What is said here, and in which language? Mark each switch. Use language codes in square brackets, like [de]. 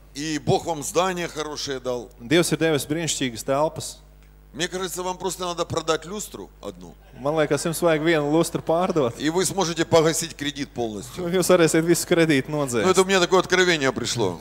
[ru] И Бог вам здание хорошее дал. [lv] Dievs ir devis brīnišķīgas telpas. [ru] Мне кажется, вам просто надо продать люстру одну. [lv] Man liekas, jums vajag vienu lustru pārdot. [ru] И вы сможете погасить кредит полностью. [lv] Jūs varēsiet visu kredītu nodzēst. [ru] Ну, это у меня такое откровение пришло.